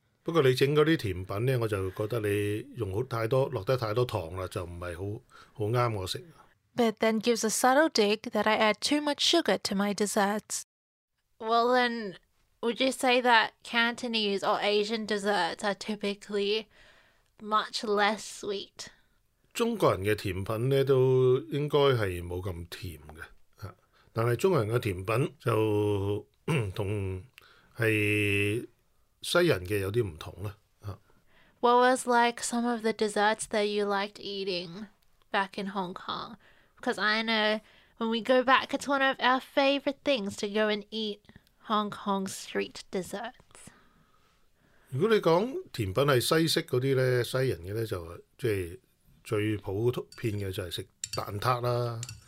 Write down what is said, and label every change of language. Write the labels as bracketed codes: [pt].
[yue] 不過你整嗰啲甜品咧，我就覺得你用好太多落得太多糖啦，就唔係好啱我食。 [en] But then gives a subtle dig that I add too much sugar to my desserts. Well, then would you say that Cantonese or Asian desserts are typically much less sweet? [yue] 中國人嘅甜品咧都應該係冇咁甜嘅，但係中國人嘅甜品就同係。西人嘅有啲唔同啦。 [en] What was like some of the desserts that you liked eating back in Hong Kong? Because I know when we go back, it's one of our favorite things to go and eat Hong Kong street desserts. [yue] 如果你讲甜品系西式嗰啲咧，西人嘅咧就即系最普遍嘅就系食蛋挞啦。